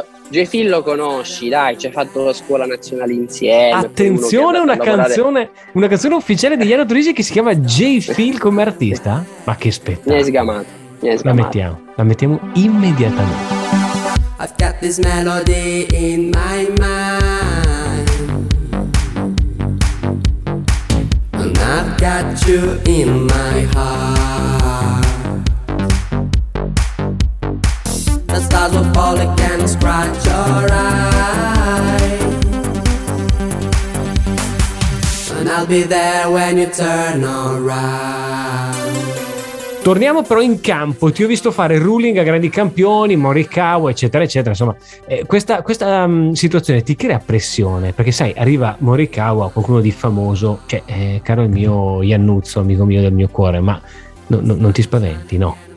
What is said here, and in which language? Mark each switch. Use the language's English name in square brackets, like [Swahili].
[Italian] J-Feel lo conosci, dai, ci ha fatto la scuola nazionale insieme. Attenzione, una canzone ufficiale di Iano Turisi che si chiama J-Feel come artista? Ma che spettacolo. Ne è sgamato. La mettiamo immediatamente. [English] I've got this melody in my mind and I've got you in my heart. The stars will fall again, scratch your eyes, and I'll be there when you turn around. [Italian] Torniamo però in campo, ti ho visto fare ruling a grandi campioni, Morikawa, eccetera, eccetera. Insomma, questa situazione ti crea pressione, perché sai, arriva Morikawa, qualcuno di famoso, cioè, caro il mio Iannuzzo, amico mio del mio cuore, ma non ti spaventi, no?